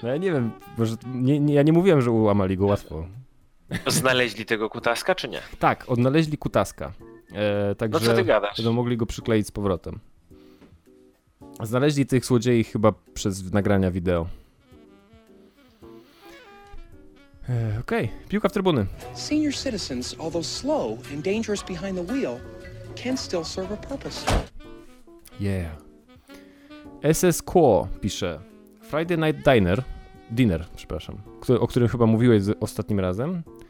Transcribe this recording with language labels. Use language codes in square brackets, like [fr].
[pl] No ja nie wiem, może ja nie mówiłem, że ułamali go łatwo. Znaleźli tego kutaska, czy nie? Tak, odnaleźli kutaska. Także no co ty gadasz? Będą mogli go przykleić z powrotem. Znaleźli tych złodziei chyba przez nagrania wideo. Okej, okay. Piłka w trybuny. [en] Senior citizens, although slow and dangerous behind the wheel, can still serve a purpose. Yeah. [pl] SS Quo pisze. Friday Night Dinner, o którym chyba mówiłeś ostatnim razem.